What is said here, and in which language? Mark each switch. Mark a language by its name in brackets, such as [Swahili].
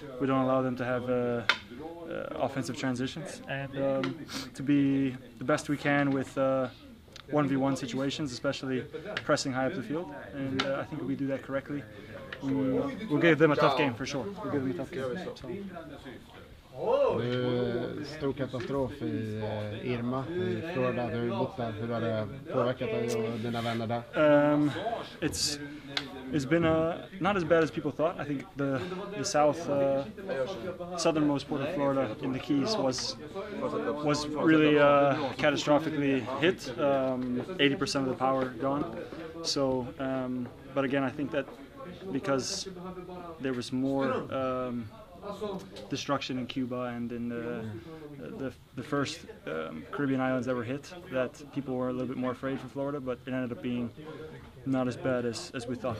[English] We don't allow them to have offensive transitions. And to be the best we can with 1v1 situations, especially pressing high up the field. And I think if we do that correctly, we'll give them a tough game for sure. We'll give them a tough game. So. [Swedish] Det är en stor katastrof i Irma i Florida. Du har bott där. Hur har det påverkat dig och dina vänner där? [English] It's been not as bad as people thought. I think the south southernmost part of Florida in the Keys was really catastrophically hit. 80% of the power gone. So, but again, I think that because there was more destruction in Cuba and in the first Caribbean islands that were hit, that people were a little bit more afraid for Florida, but it ended up being not as bad as we thought.